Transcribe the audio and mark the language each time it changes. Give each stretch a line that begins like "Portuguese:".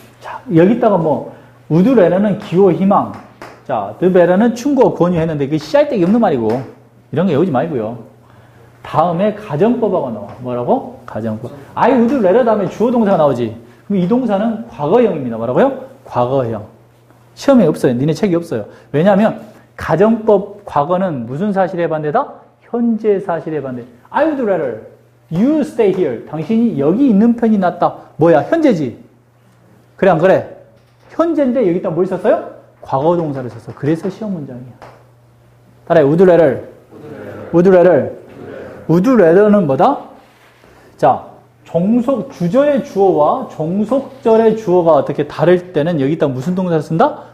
Korean: 자, 여기다가 뭐, would rather는 기호 희망. 자, the better는 충고 권유 했는데, 그게 씨알때기 없는 말이고. 이런 거 외우지 말고요. 다음에 가정법하고 나와. 뭐라고? 가정법. I would rather 다음에 주어동사가 나오지. 그럼 이 동사는 과거형입니다. 뭐라고요? 과거형. 시험에 없어요. 니네 책이 없어요. 왜냐하면 가정법 과거는 무슨 사실에 반대다? 현재 사실에 반대.
English: I would rather you stay here.
Korean: 당신이 여기 있는 편이 낫다. 뭐야? 현재지? 그래 안 그래? 현재인데 여기다 뭘 썼어요? 과거 동사를 썼어. 그래서 시험 문장이야. 따라해. Would rather. Would rather. Would rather는 뭐다? 자, 종속 주절의 주어와 종속절의 주어가 어떻게 다를 때는 여기다 무슨 동사를 쓴다?